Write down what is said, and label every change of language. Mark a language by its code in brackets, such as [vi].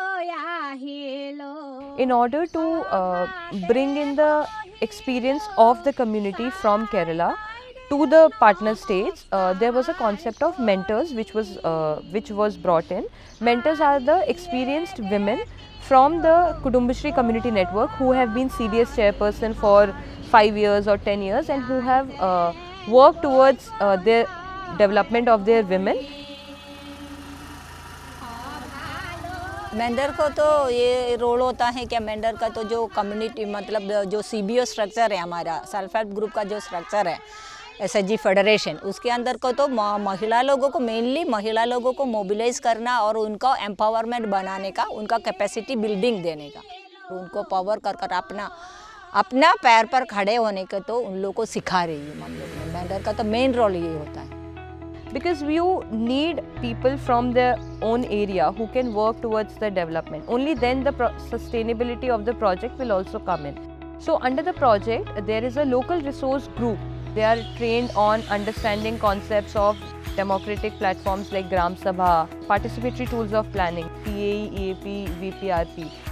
[en] In order to bring in the experience of the community from Kerala to the partner states, there was a concept of mentors which was brought in. Mentors are the experienced women from the Kudumbashree community network who have been CDS chairperson for 5 years or 10 years and who have worked towards their development of their women. [hi] Mendhar को तो ये role होता है क्या मेंडर का, तो जो community मतलब जो CBO स्ट्रक्चर है हमारा सेल्फ हेल्प ग्रुप का जो स्ट्रक्चर है SG फेडरेशन उसके अंदर को तो महिला लोगों को मेनली महिला लोगों को मोबिलाइज करना और उनका एम्पावरमेंट बनाने का, उनका कैपेसिटी बिल्डिंग देने का, उनको पावर कर अपना अपना पैर पर खड़े होने का तो उन लोगों को सिखा रही है। मतलब मेंडर का तो मेन रोल ये होता है। [en] Because you need people from their own area who can work towards the development. Only then the sustainability of the project will also come in. So under the project, there is a local resource group. They are trained on understanding concepts of democratic platforms like Gram Sabha, participatory tools of planning, PAE, EAP, VPRP.